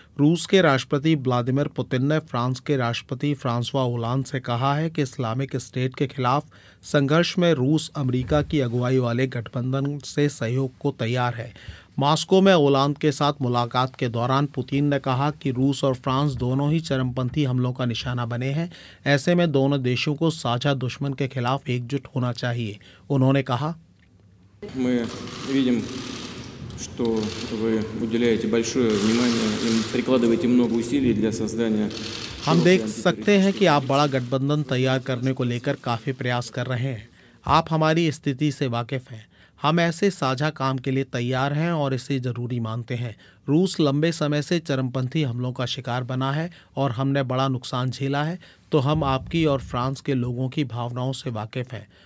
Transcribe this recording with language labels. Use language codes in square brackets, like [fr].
[hi] रूस के राष्ट्रपति व्लादिमीर पुतिन ने फ्रांस के राष्ट्रपति फ्रांसवा ओलांद से कहा है कि इस्लामिक स्टेट के खिलाफ संघर्ष में रूस अमेरिका की अगुवाई वाले गठबंधन से सहयोग को तैयार है। मॉस्को में ओलांद के साथ मुलाकात के दौरान पुतिन ने कहा कि रूस और फ्रांस दोनों ही चरमपंथी हमलों का निशाना बने हैं, ऐसे में दोनों देशों को साझा दुश्मन के खिलाफ एकजुट होना चाहिए। उन्होंने कहा, [ru] Мы видим, что вы уделяете большое внимание и прикладываете много усилий для создания. [hi] हम देख सकते हैं कि आप बड़ा गठबंधन तैयार करने को लेकर काफी प्रयास कर रहे हैं। आप हमारी स्थिति से वाकिफ हैं। हम ऐसे साझा काम के लिए तैयार हैं और इसे जरूरी मानते हैं। रूस लंबे समय से चरमपंथी हमलों का शिकार बना है और हमने बड़ा नुकसान झेला है, तो हम आपकी और फ्रांस के लोगों की भावनाओं से वाकिफ हैं।